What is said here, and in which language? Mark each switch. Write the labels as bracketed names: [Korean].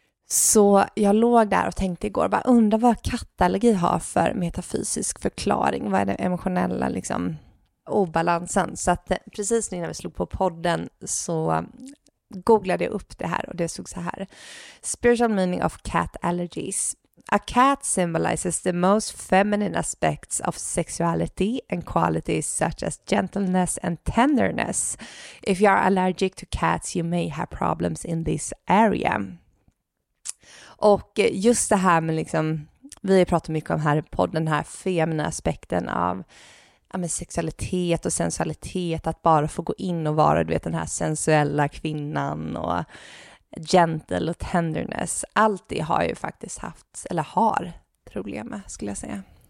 [Swedish] Så jag låg där och tänkte igår, bara undra vad kattallergi har för metafysisk förklaring. Vad är den emotionella liksom obalansen? Så att precis innan vi slog på podden så googlade jag upp det här och det stod så här: [English] Spiritual meaning of cat allergies. A cat symbolizes the most feminine aspects of sexuality and qualities such as gentleness and tenderness. If you are allergic to cats, you may have problems in this area. [Swedish] Och just det här med liksom, vi har pratat mycket om här på den här feminina aspekten av sexualitet och sensualitet, att bara få gå in och vara, du vet, den här sensuella kvinnan och gentle och tenderness, allt det har ju faktiskt haft, eller har problem med, skulle jag säga.